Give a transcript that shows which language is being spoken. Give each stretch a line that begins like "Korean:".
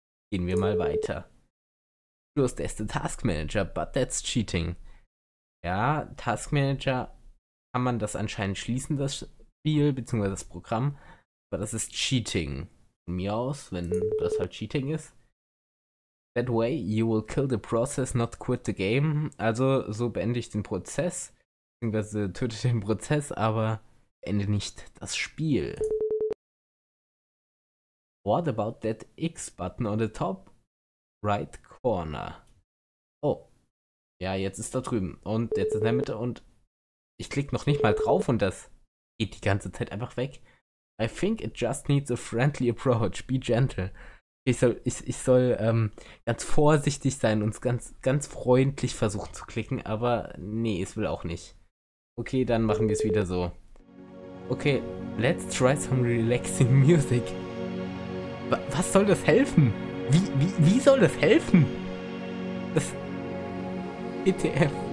German: Gehen wir mal weiter. Plus, der ist der Task Manager,
English: but that's cheating.
German: Ja, Task Manager, kann man das anscheinend schließen, das Spiel, beziehungsweise das Programm. Aber das ist cheating. Von mir aus, wenn das halt cheating ist.
English: That way you will kill the process, not quit the game.
German: Also, so beende ich den Prozess, beziehungsweise töte den Prozess, aber beende nicht das Spiel.
English: What about that X button on the top right corner?
German: Oh, ja, jetzt ist da drüben und jetzt in der Mitte und ich klicke noch nicht mal drauf und das geht die ganze Zeit einfach weg.
English: I think it just needs a friendly approach, be gentle.
German: Ich soll ganz vorsichtig sein und ganz, ganz freundlich versuchen zu klicken, aber nee, es will auch nicht. Okay, dann machen wir es wieder so. Okay,
English: let's try some relaxing music.
German: Was soll das helfen? Wie soll das helfen? Das... ETF.